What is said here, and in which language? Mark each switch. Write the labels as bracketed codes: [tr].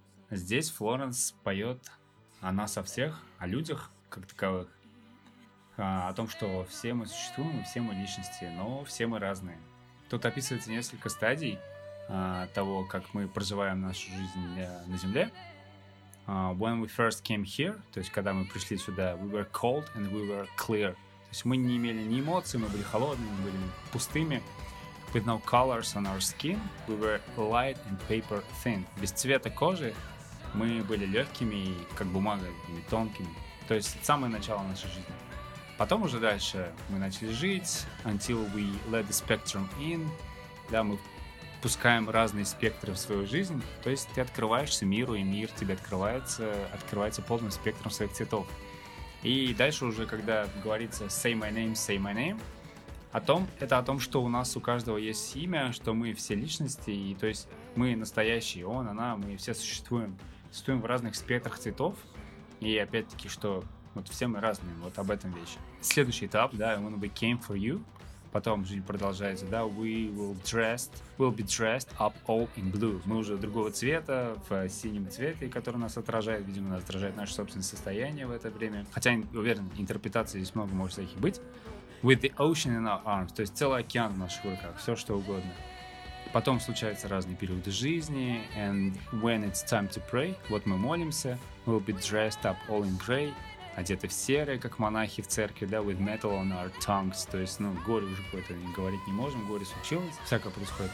[ru] Здесь Флоренс поет о нас, о всех, о людях как таковых. О том, что все мы существуем, все мы личности, но все мы разные. Тут описывается несколько стадий того, как мы проживаем нашу жизнь на Земле. [en] When we first came here, [ru] то есть когда мы пришли сюда, [en] we were cold and we were clear. [ru] То есть мы не имели ни эмоций, мы были холодными, мы были пустыми. [en] With no colors on our skin, we were light and paper thin. [ru] Без цвета кожи мы были легкими, как бумага, и тонкими. То есть это самое начало нашей жизни. Потом уже дальше мы начали жить, [en] until we let the spectrum in. [ru] Да, мы пускаем разные спектры в свою жизнь, то есть ты открываешься миру, и мир тебе открывается полным спектром своих цветов. И дальше уже, когда говорится [en] «say my name, say my name», [ru] это о том, что у нас у каждого есть имя, что мы все личности, и то есть мы настоящие, он, она, мы все существуем в разных спектрах цветов, и опять-таки, что вот все мы разные, вот об этом вещь. Следующий этап, да, [en] «I wanna be came for you». [ru] Потом жизнь продолжается, да, [en] we'll be dressed up all in blue. [ru] Мы уже другого цвета, в синем цвете, который нас отражает, видимо, нас отражает наше собственное состояние в это время. Хотя, уверен, интерпретаций здесь много может всяких быть. [en] With the ocean in our arms, [ru] то есть целый океан в наших руках, все что угодно. [en] Потом случаются разные периоды жизни, and when it's time to pray, [ru] вот мы молимся, [en] we'll be dressed up all in gray. [ru] Одеты в серые, как монахи в церкви, да, [en] with metal on our tongues, [ru] то есть, ну, горе уже какое-то говорить не можем, горе случилось, всякое происходит.